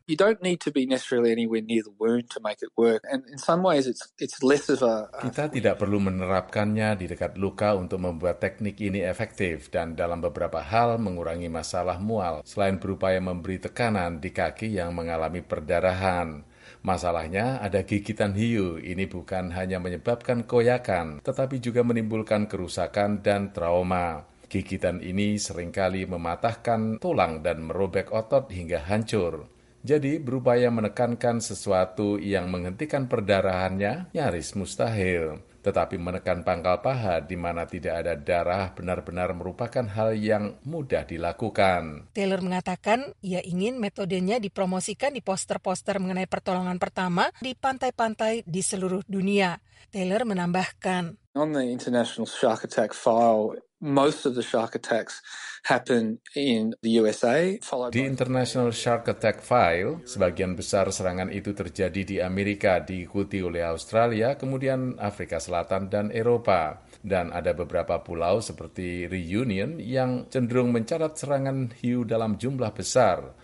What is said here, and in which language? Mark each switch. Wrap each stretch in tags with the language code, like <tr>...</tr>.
<en>"You don't need to be necessarily anywhere near the wound to make it work, and in some ways it's less of a."</en> <id>Kita tidak perlu menerapkannya di dekat luka untuk membuat teknik ini efektif dan dalam beberapa hal mengurangi masalah mual. Selain berupaya memberi tekanan di kaki yang mengalami perdarahan, masalahnya ada gigitan hiu. Ini bukan hanya menyebabkan koyakan, tetapi juga menimbulkan kerusakan dan trauma. Gigitan ini seringkali mematahkan tulang dan merobek otot hingga hancur. Jadi berupaya menekankan sesuatu yang menghentikan perdarahannya nyaris mustahil. Tetapi menekan pangkal paha di mana tidak ada darah benar-benar merupakan hal yang mudah dilakukan. Taylor mengatakan ia ingin metodenya dipromosikan di poster-poster mengenai pertolongan pertama di pantai-pantai di seluruh dunia. Taylor menambahkan,</id> <en>on the international shark attack file, most of the shark attacks happen in the USA.</en> <id>Di International Shark Attack File, sebagian besar serangan itu terjadi di Amerika, diikuti oleh Australia, kemudian Afrika Selatan dan Eropa. Dan ada beberapa pulau seperti Reunion yang cenderung mencatat serangan hiu dalam jumlah besar.</id>